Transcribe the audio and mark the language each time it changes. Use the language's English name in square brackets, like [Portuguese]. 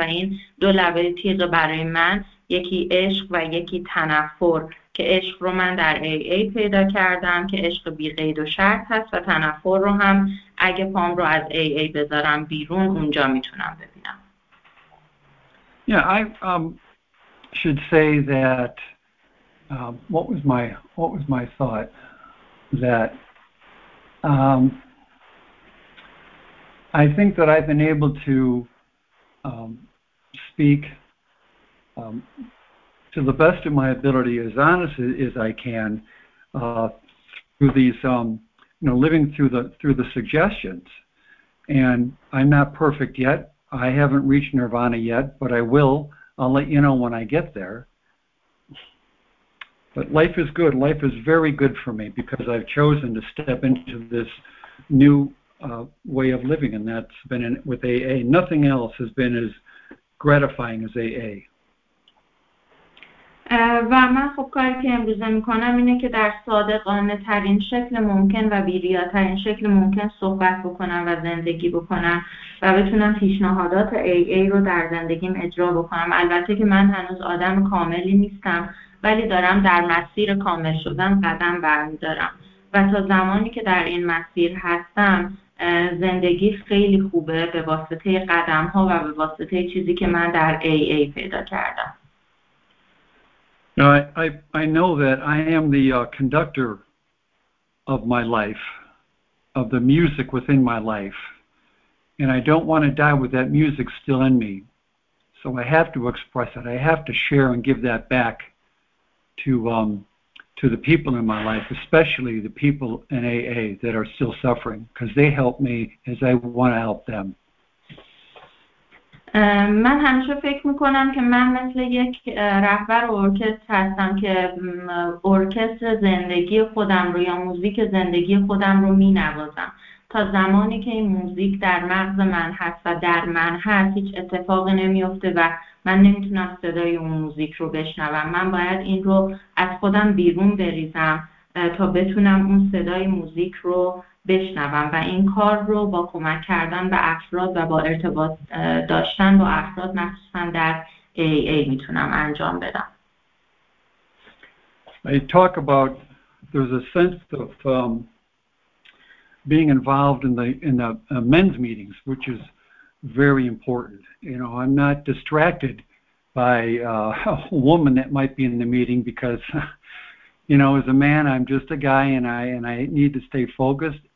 [Persian] و این دو لبه تیغ برای من، یکی عشق و یکی تنفر، که عشق رو من در AA پیدا کردم که عشق بی قید و شرط هست، و تنفر رو هم اگه پام رو از AA بذارم بیرون، اونجا میتونم ببینم. [English] Yeah, I should say that what was my thought that I think that I've been able to speak to the best of my ability, as honest as I can, through these, living through the suggestions. And I'm not perfect yet. I haven't reached nirvana yet, but I will. I'll let you know when I get there. But life is good. Life is very good for me because I've chosen to step into this new way of living, and that's been in, with AA. Nothing else has been as gratifying as AA. [Persian] و من خب کاری که امروزه میکنم اینه که در صادقانه ترین شکل ممکن و بیریا ترین شکل ممکن صحبت بکنم و زندگی بکنم و بتونم پیشنهادات AA رو در زندگیم اجرا بکنم. البته که من هنوز آدم کاملی نیستم ولی دارم در مسیر کامل شدن قدم برمیدارم و تا زمانی که در این مسیر هستم زندگی خیلی خوبه به واسطه قدم ها و به واسطه چیزی که من در AA پیدا کردم. [English] Now I know that I am the conductor of my life, of the music within my life, and I don't want to die with that music still in me. So I have to express it. I have to share and give that back to the people in my life, especially the people in AA that are still suffering, because they help me as I want to help them. [Persian] من همیشه فکر میکنم که من مثل یک رهبر ارکستر هستم که ارکستر زندگی خودم رو یا موزیک زندگی خودم رو مینوازم. تا زمانی که این موزیک در مغز من هست و در من هست هیچ اتفاقی نمیفته و من نمیتونم صدای اون موزیک رو بشنوم. من باید این رو از خودم بیرون بریزم تا بتونم اون صدای موزیک رو بشنوم و این کار رو با کمک کردن به افراد و با ارتباط داشتن با افراد مخصوصا در AA میتونم انجام بدم. [English] I talk about there's a sense of being involved in the men's meetings, which is very important. You know, I'm not distracted by a woman that might be in the meeting because, you know, as a man, I'm just a guy and I need to stay focused.